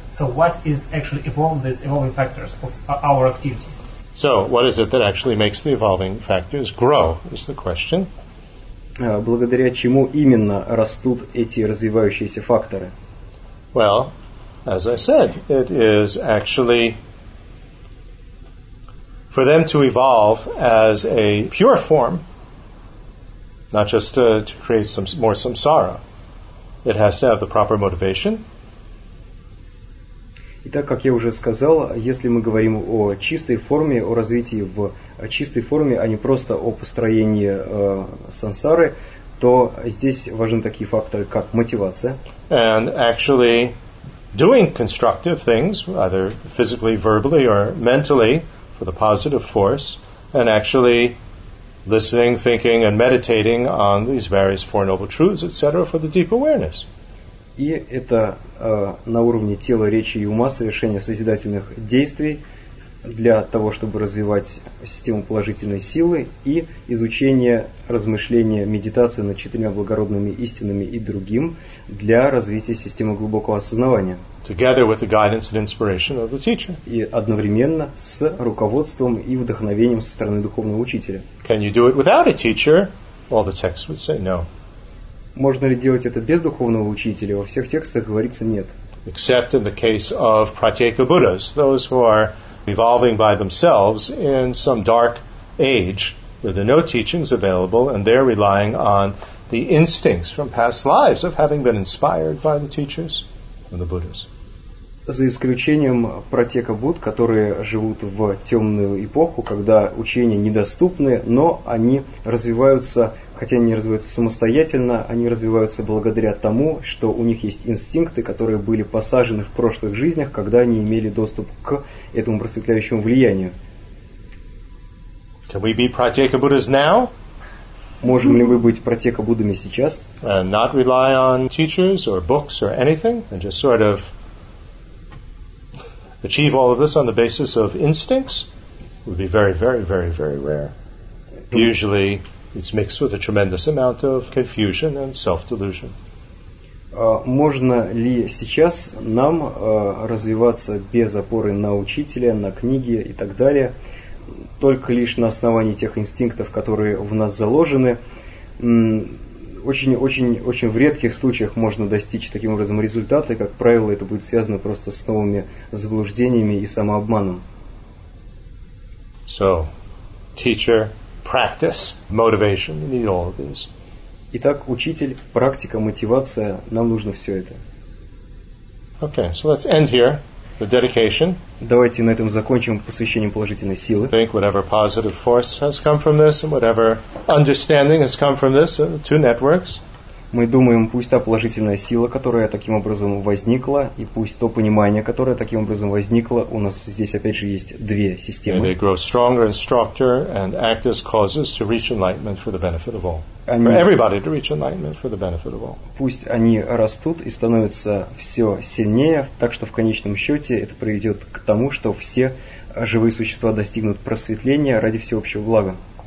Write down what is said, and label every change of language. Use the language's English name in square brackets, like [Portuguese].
[English] So what is actually evolving, these evolving factors of our activity? So what is it that actually makes the evolving factors grow, is the question. [Russian] Благодаря чему именно растут эти развивающиеся факторы? [English] Well, as I said, it is actually for them to evolve as a pure form, not just to create some more samsara. It has to have the proper motivation. [Russian] Итак, как я уже сказал, если мы говорим о чистой форме, о развитии в чистой форме, а не просто о построении сансары, то здесь важны такие факторы, как мотивация. [English] And actually doing constructive things, either physically, verbally, or mentally, for the positive force, and actually listening, thinking, and meditating on these various Four Noble Truths, etc., for the deep awareness. [Russian] И это на уровне тела, речи и ума совершение созидательных действий для того, чтобы развивать систему положительной силы и изучение, размышления, медитации над четырьмя благородными истинами и другим для развития системы глубокого осознавания. [English] Together with the guidance and inspiration of the teacher. [Russian] И одновременно с руководством и вдохновением со стороны духовного учителя. [English] Can you do it without a teacher? All the texts would say no. [Russian] Можно ли делать это без духовного учителя? Во всех текстах говорится нет. [English] Except in the case of pratyeka buddhas, those who are evolving by themselves in some dark age where there are no teachings available, and they're relying on the instincts from past lives of having been inspired by the teachers and the Buddhas. [Russian] За исключением пратека Будд, которые живут в темную эпоху, когда учения недоступны, но они развиваются, хотя они не развиваются самостоятельно, они развиваются благодаря тому, что у них есть инстинкты, которые были посажены в прошлых жизнях, когда они имели доступ к этому просветляющему влиянию. [English] Can we be pratyeka Buddhas now? [Russian] Можем ли мы быть пратека Буддами сейчас? [English] And not rely on teachers or books or anything, and just sort of achieve all of this on the basis of instincts would be very, very, very, very rare. Usually, it's mixed with a tremendous amount of confusion and self-delusion. [Russian] Можно ли сейчас нам развиваться без опоры на учителя, на книги и так далее, только лишь на основании тех инстинктов, которые в нас заложены? Очень-очень-очень в редких случаях можно достичь таким образом результата, и, как правило, это будет связано просто с новыми заблуждениями и самообманом. [English] So, teacher, practice, motivation, you need all of these. [Russian] Итак, учитель, практика, мотивация, нам нужно все это. [English] Okay, so let's end here. The dedication. [Russian] Давайте на этом закончим посвящение положительной силы. [English] Think whatever positive force has come from this, and whatever understanding has come from this, two networks. [Russian] Мы думаем, пусть та положительная сила, которая таким образом возникла, и пусть то понимание, которое таким образом возникло, у нас здесь опять же есть две системы. [English] They grow stronger and stronger and act as causes to reach enlightenment for the benefit of all. For everybody to reach enlightenment for the benefit of all. [Russian] Пусть они растут и становятся все сильнее, так что в конечном счете это приведет к тому, что все живые существа достигнут просветления ради всеобщего блага.